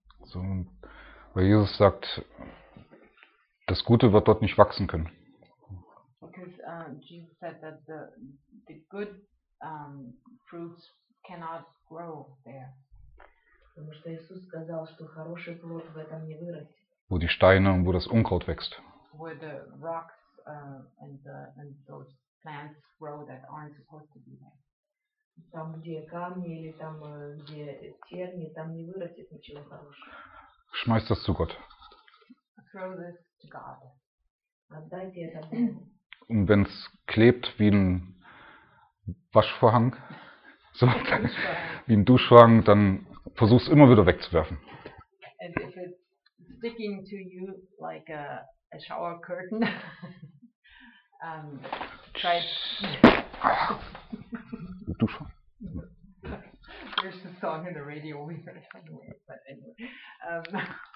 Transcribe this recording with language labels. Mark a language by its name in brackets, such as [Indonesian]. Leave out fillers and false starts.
[German] So, weil Jesus sagt, das Gute wird dort nicht wachsen können. [English] Because Jesus said that the good fruits cannot grow there. [Russian] Потому что Иисус сказал, что хороший плод в этом не вырастет. [German] Wo die Steine und wo das Unkraut wächst. [English] Where the rocks and those plants grow that aren't supposed to be there. [Russian] Там, где камни или там, где терни, там не вырастет ничего хорошего. [German] Schmeiß das zu Gott. [English] Throw this to God. [Russian] Отдайте это Богу. [German] Und wenn es klebt wie ein Waschvorhang, so, wie ein Duschvorhang, dann versuch es immer wieder wegzuwerfen. [English] And if it's sticking to you like a shower curtain, try it. There's a song in the radio we heard anyway, but anyway.